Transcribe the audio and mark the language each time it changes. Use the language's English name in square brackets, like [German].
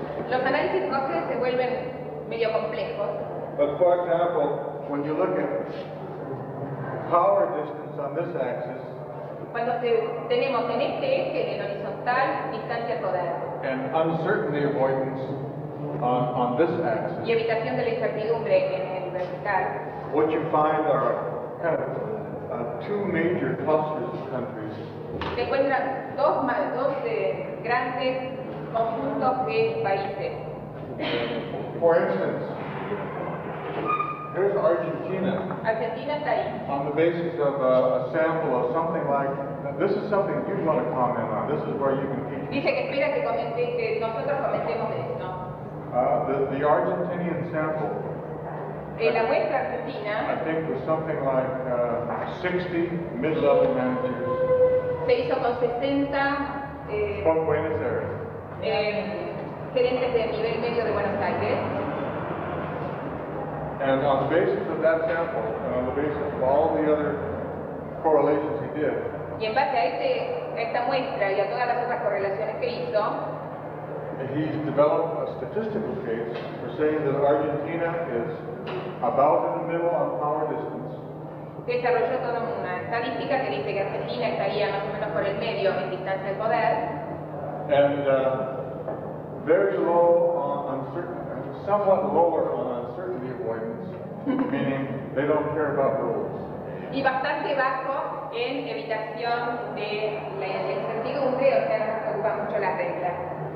[Spanish] Los análisis de Hofstede se vuelven medio complejos. [English] But for example, when you look at power distance on this axis, [Spanish] cuando tenemos en este eje el horizontal distancia poder, [English] and uncertainty avoidance on this axis, [Spanish] y evitación de la incertidumbre en el vertical, [English] what you find are kind of two major clusters of countries. [Spanish] Se encuentran dos más dos grandes conjuntos de países. [English] For instance, here's Argentina. [Spanish] Argentina está ahí. [English] On the basis of a sample of something like, this is something you want to comment on. This is where you can teach. [Spanish] Dice que espera que comente que nosotros comentemos esto. [English] The Argentinian sample. [Spanish] La muestra argentina. [English] I think it was something like 60 mid-level managers. [Spanish] Se hizo con 60. [English] From Buenos Aires. [Spanish] Gerentes de nivel medio de Buenos Aires. [English] And on the basis of that sample, and on the basis of all the other correlations he did. [Spanish] Y en base a esta muestra y a todas las otras correlaciones que hizo. [English] He's developed a statistical case for saying that Argentina is about in the middle on power distance. [Spanish] Desarrolló toda una estadística que dice que Argentina estaría más o menos por el medio en distancia de poder. [English] And very low on uncertainty, somewhat lower on uncertainty avoidance, meaning they don't care about rules. [Spanish] Y bastante bajo en evitación de la incertidumbre, o sea, no preocupa mucho las reglas.